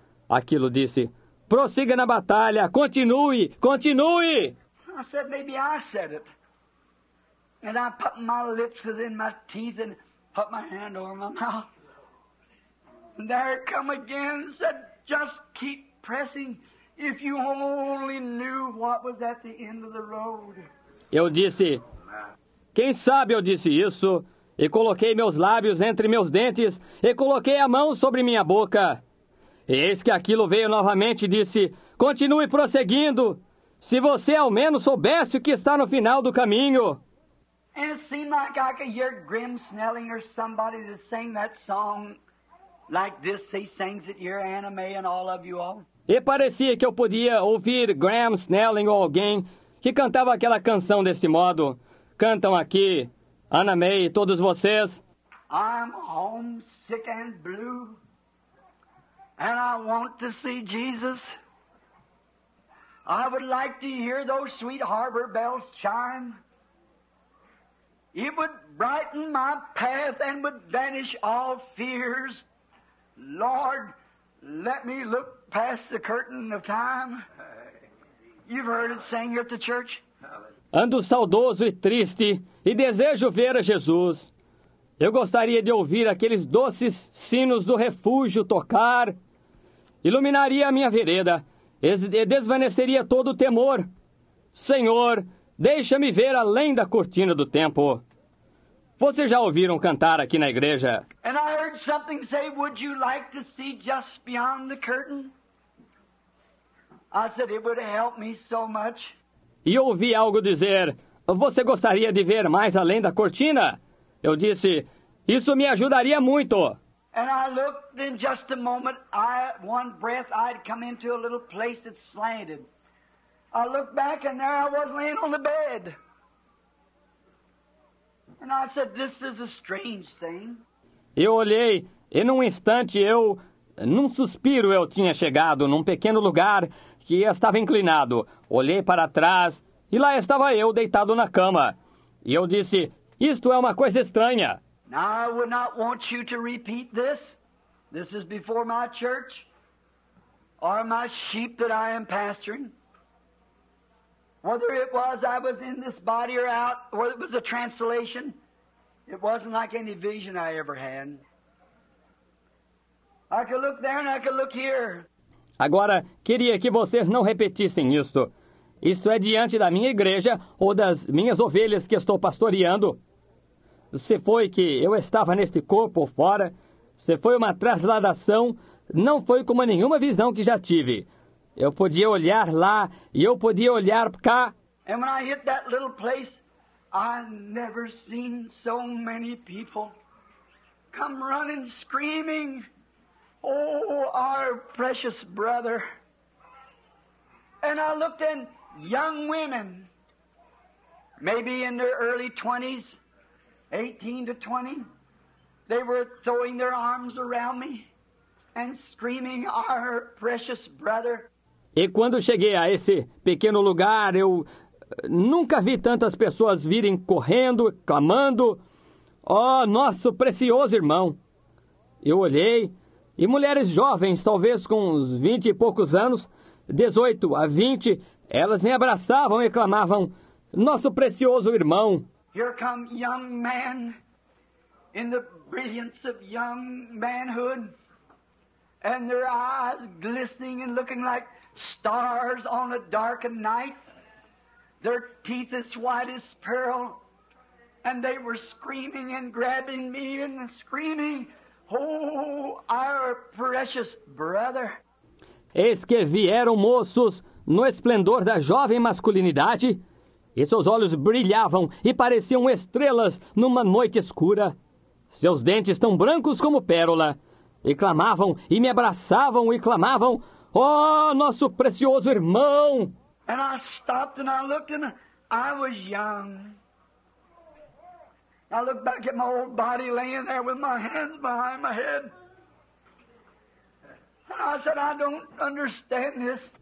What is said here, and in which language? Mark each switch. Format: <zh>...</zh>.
<pt>Aquilo disse, prossiga na batalha, continue, continue!</pt> <en>I said, maybe I said it. And I put my lips within my teeth and put my hand over my mouth. And there it come again, said, just keep pressing. If you only knew what was at the end of the road.</en> <pt>Eu disse, quem sabe, eu disse isso, e coloquei meus lábios entre meus dentes, e coloquei a mão sobre minha boca. E eis que aquilo veio novamente e disse, continue prosseguindo, se você ao menos soubesse o que está no final do caminho.</pt> <en>And it seemed like I could hear Grim Snelling or somebody that sang that song like this. He sings it here, Anna May and all of you all.</en> <pt>E parecia que eu podia ouvir Graham Snelling ou alguém que cantava aquela canção desse modo. Cantam aqui, Anna May e todos vocês.</pt> <en>I'm homesick and blue, and I want to see Jesus. I would like to hear those sweet harbor bells chime. It would brighten my path and would banish all fears. Lord, let me look past the curtain of time. You've heard it sang here at the church.</en> <pt>Ando saudoso e triste e desejo ver a Jesus. Eu gostaria de ouvir aqueles doces sinos do refúgio tocar. Iluminaria a minha vereda e desvaneceria todo o temor. Senhor, deixa-me ver além da cortina do tempo. Vocês já ouviram cantar aqui na igreja?</pt> <en>And I heard something say, would you like to see just beyond the curtain? I said, it would help me so much.</en> <pt>E ouvi algo dizer, você gostaria de ver mais além da cortina? Eu disse, isso me ajudaria muito.</pt> <en>And I looked in just a moment, one breath, I'd come into a little place that slanted. I looked back and there I was laying on the bed. And I said, this is a strange thing.</en> <pt>Eu olhei, e num instante num suspiro eu tinha chegado num pequeno lugar que estava inclinado. Olhei para trás, e lá estava eu deitado na cama. E eu disse, isto é uma coisa estranha.</pt> <en>Now I would not want you to repeat this. This is before my church, or my sheep that I am pastoring. Whether it was I was in this body or out, or it was a translation, it wasn't like any vision I ever had. I could look there and I could look here.</en> <pt>Agora, queria que vocês não repetissem isto. Isto é diante da minha igreja ou das minhas ovelhas que estou pastoreando. Se foi que eu estava neste corpo ou fora, se foi uma trasladação, não foi como nenhuma visão que já tive. Eu podia olhar lá e eu podia olhar cá.</pt> <en>And when I hit that little place, I never seen so many people come running screaming, oh, our precious brother. And I looked in young women, maybe in their early 20s, 18 to 20, they were throwing their arms around me and screaming, our precious brother.</en> <pt>E quando cheguei a esse pequeno lugar, eu nunca vi tantas pessoas virem correndo, clamando, oh, nosso precioso irmão. Eu olhei, e mulheres jovens, talvez com uns 20 e poucos anos, 18 a 20, elas me abraçavam e clamavam, nosso precioso irmão.</pt> <en>Here come young men, in the brilliance of young manhood, and their eyes glistening and looking like stars on a darkened night, their teeth as white as pearl, and they were screaming and grabbing me and screaming, oh, our precious brother.</en> <pt>Eis que vieram moços no esplendor da jovem masculinidade, e seus olhos brilhavam e pareciam estrelas numa noite escura, seus dentes tão brancos como pérola, e clamavam e me abraçavam e clamavam, oh, nosso precioso irmão!</pt> <en>And I stopped and I looked and I was young. I looked back at my old body laying there with my hands behind my head. And I said, I don't understand this.</en>